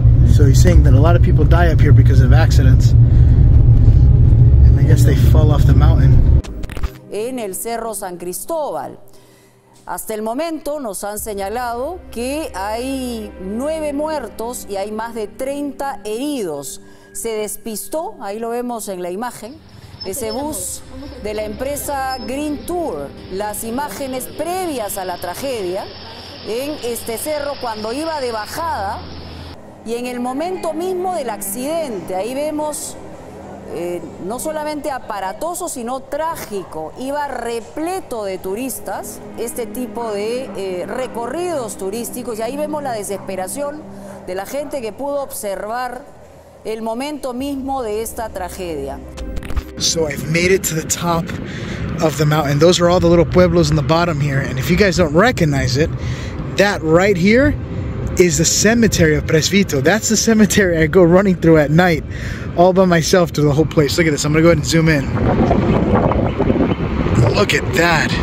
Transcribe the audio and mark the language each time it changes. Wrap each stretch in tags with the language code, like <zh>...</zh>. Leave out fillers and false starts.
<en>So he's saying that a lot of people die up here because of accidents. And I guess they fall off the mountain.</en> <es>En el Cerro San Cristóbal. Hasta el momento nos han señalado que hay 9 muertos y hay más de 30 heridos. Se despistó, ahí lo vemos en la imagen. Ese bus de la empresa Green Tour, las imágenes previas a la tragedia en este cerro cuando iba de bajada y en el momento mismo del accidente. Ahí vemos no solamente aparatoso, sino trágico. Iba repleto de turistas este tipo de recorridos turísticos y ahí vemos la desesperación de la gente que pudo observar el momento mismo de esta tragedia.</es> <en>So I've made it to the top of the mountain. Those are all the little pueblos in the bottom here. And if you guys don't recognize it, that right here is the cemetery of Presvito. That's the cemetery I go running through at night all by myself through the whole place. Look at this. I'm gonna go ahead and zoom in. Look at that.</en>